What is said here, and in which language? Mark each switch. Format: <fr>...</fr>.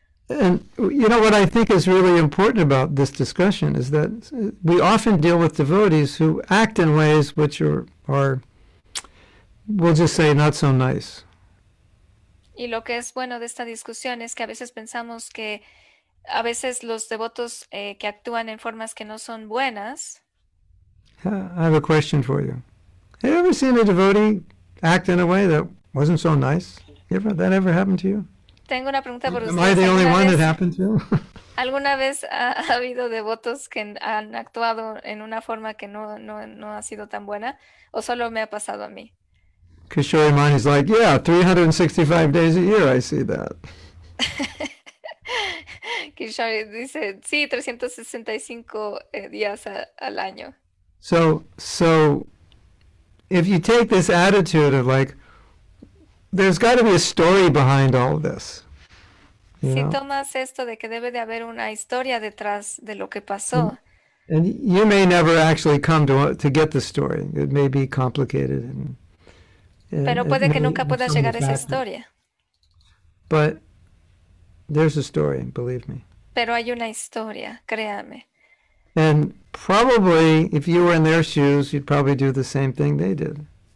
<en>And you know what I think is really important about this discussion is that we often deal with devotees who act in ways which are we'll just say not so nice.</en> <es>Y lo que es bueno de esta discusión es que a veces pensamos que a veces los devotos que actúan en formas que no son buenas.</es> <en>I have a question for you. Have you ever seen a devotee act in a way that wasn't so nice? Ever that ever happened to you?</en> <es>Tengo una pregunta por</es> <en>Am I the only one that happened to?</en> <es>¿Alguna vez ha habido devotos que han actuado en una forma que no ha sido tan buena? ¿O solo me ha pasado a mí?</es> <en>Kishore Mani is like, "Yeah, 365 days a year I see that."</en> <es>Kishore dice, sí, 365 días al año.</es> <en>So if you take this attitude of like, there's got to be a story behind all of this.</en> <es>Si tomas esto de que debe de haber una historia detrás de lo que pasó.</es> <en>And you may never actually come to get the story. It may be complicated.</en> <es>Pero puede que nunca puedas llegar a esa historia.</es> <en>But there's a story, believe me.</en> <es>Pero hay una historia, créame.</es> <en>And probably, if you were in their shoes, you'd probably do the same thing they did.</en>